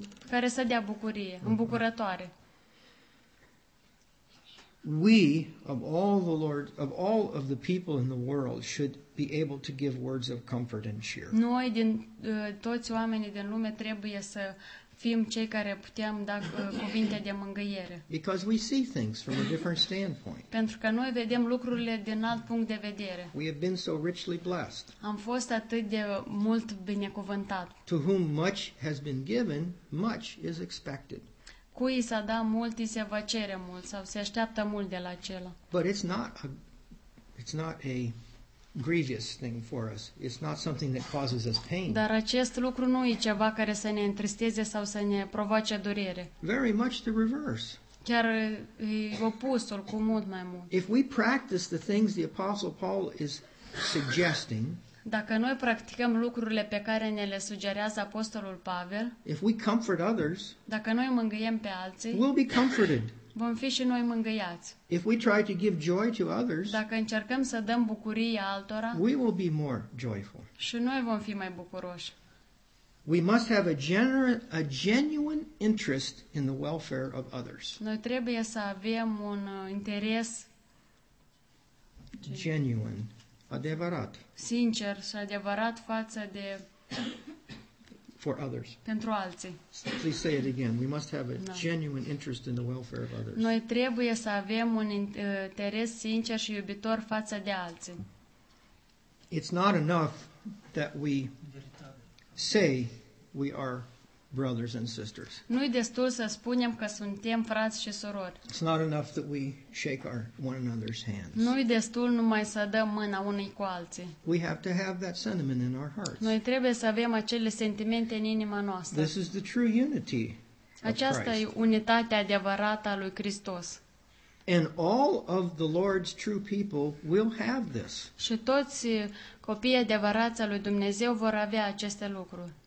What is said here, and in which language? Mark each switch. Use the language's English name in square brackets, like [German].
[Romanian] Care să dea bucurie, îmbucurătoare. [English] We of all the Lord of all of the people in the world should be able to give words of comfort and cheer. [Romanian] Noi din toți oamenii din lume trebuie să fim cei care putem da cuvinte de mângâiere. [English] Because we see things from a different standpoint. [Romanian] Pentru că noi vedem lucrurile din alt punct de vedere. [English] We have been so richly blessed. [Romanian] Am fost atât de mult binecuvântat. [English] To whom much has been given, much is expected. [Romanian] Cui s-a dat mult, îi se va cere mult sau se așteaptă mult de la acela. [English] But it's not a grievous thing for us. It's not something that causes us pain. [Romanian] Dar acest lucru nu e ceva care să ne întristeze sau să ne provoace durere. [English] Very much the reverse. [Romanian] Chiar e opusul cu mult mai mult. [English] If we practice the things the Apostle Paul is suggesting, [Romanian] dacă noi practicăm lucrurile pe care ne le sugerează apostolul Pavel, [English] if we comfort others, [Romanian] dacă noi mângâiem pe alții, [English] we'll be comforted. [Romanian] Vom fi și noi mângâiați. [English] If we try to give joy to others, [Romanian] dacă încercăm să dăm bucurie altora, [English] we will be more joyful. [Romanian] Și noi vom fi mai bucuroși. [English] We must have a genuine interest in the welfare of others. [Romanian] Noi trebuie să avem un interes [English] genuine. [Romanian] Adevărat. Sincer și adevărat față de [English] for others. [Romanian] Pentru alții. [English] Please say it again. We must have a genuine interest in the welfare of others. [Romanian] Noi trebuie să avem un interes sincer și iubitor față de alții. [English] It's not enough that we say we are brothers and sisters. [Romanian] Nu e destul să spunem că suntem frați și surori. [English] It's not enough that we shake our one another's hands. [Romanian] Nu e destul numai să dăm mâna unii cu alții. [English] We have to have that sentiment in our hearts. [Romanian] Noi trebuie să avem acele sentimente în inima noastră. [English] This is the true unity. [Romanian] Aceasta e unitatea adevărată a lui Hristos. [English] And all of the Lord's true people will have this. [Romanian] Și toți copiii adevărați al lui Dumnezeu vor avea aceste lucruri.